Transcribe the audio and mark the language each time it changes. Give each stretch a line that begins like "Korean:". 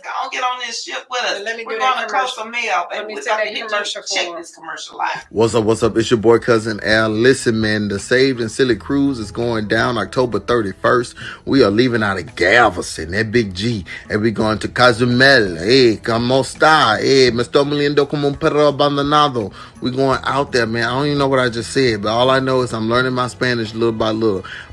English: Go on, get on this ship with us. Let me We're going to coast the mail. Baby. Let me tell that commercial check this commercial life. What's up? It's your boy, Cousin Al. Listen, man, the Saved and Silly Cruise is going down October 31st. We are leaving out of Galveston, that big G. And we're going to Cozumel. Hey,
Spanish: como esta? Hey, me estoy moliendo como un perro abandonado.
English: We're going out there, man. I don't even know what I just said, but all I know is I'm learning my Spanish little by little.